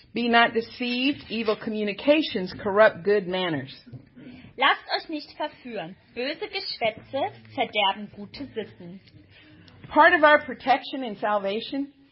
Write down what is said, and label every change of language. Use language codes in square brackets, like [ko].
[en] Be not deceived, evil communications corrupt good manners. [de] Lasst euch nicht verführen. Böse Geschwätze verderben gute Sitten. [en] Part of our protection and salvation.